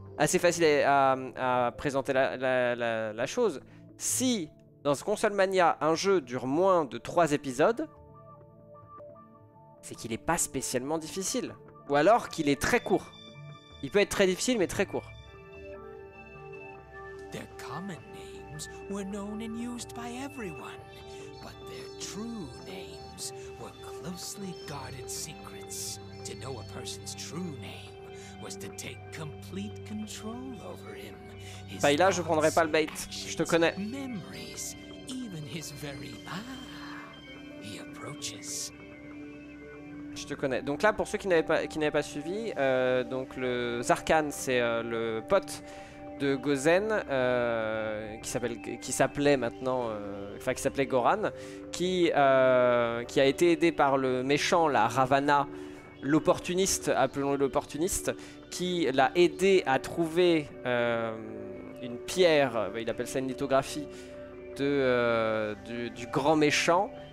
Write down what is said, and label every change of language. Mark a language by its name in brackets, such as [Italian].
[French] Assez facile à présenter la chose. Si... Dans ce Console Mania, un jeu dure moins de 3 épisodes, c'est qu'il est pas spécialement difficile. Ou alors qu'il est très court. Il peut être très difficile, mais très court. [English] Their common names were known and used by everyone, but their true names were closely guarded secrets. To know a person's true name was to take complete control over him. [French] Bah, là, je prendrai pas le bait. Je te connais. [English] Memories, even his very... Ah, he approaches. [French] Je te connais. Donc là, pour ceux qui n'avaient pas suivi, donc le Zarkan, c'est le pote de Gozen, qui s'appelait Goran, qui a été aidé par le méchant, la Ravana, l'opportuniste, appelons-le l'opportuniste, qui l'a aidé à trouver une pierre, il appelle ça une lithographie, du grand méchant.